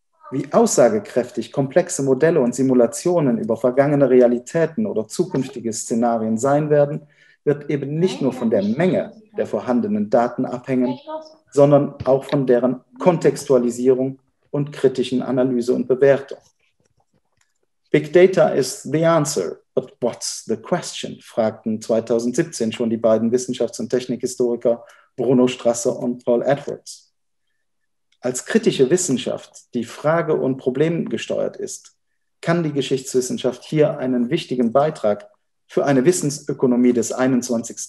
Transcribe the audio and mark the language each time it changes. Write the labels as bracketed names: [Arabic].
[German] Wie aussagekräftig komplexe Modelle und Simulationen über vergangene Realitäten oder zukünftige Szenarien sein werden, wird eben nicht nur von der Menge der vorhandenen Daten abhängen, sondern auch von deren Kontextualisierung und kritischen Analyse und Bewertung. [English] Big Data is the answer, but what's the question? [German] Fragten 2017 schon die beiden Wissenschafts- und Technikhistoriker Bruno Strasser und Paul Edwards. Als kritische Wissenschaft, die Frage- und problemgesteuert ist, kann die Geschichtswissenschaft hier einen wichtigen Beitrag für eine Wissensökonomie des 21.